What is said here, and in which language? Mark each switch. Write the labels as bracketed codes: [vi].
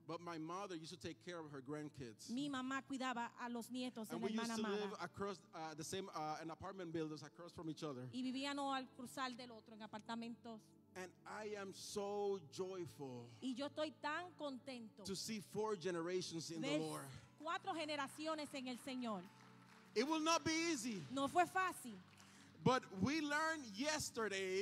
[en] But my mother used to take care of her grandkids. [es] Mi mamá cuidaba a los nietos de la hermana Amada. [en] And we used to live across the same an apartment buildings across from each other. [es] Y vivíamos al cruzar del otro en apartamentos. [en] And I am so joyful. [es] Y yo estoy tan contento. [en] To see four generations in the Lord. [es] Cuatro generaciones en el Señor. [en] It will not be easy. [es] No fue fácil. [en] But we learned yesterday.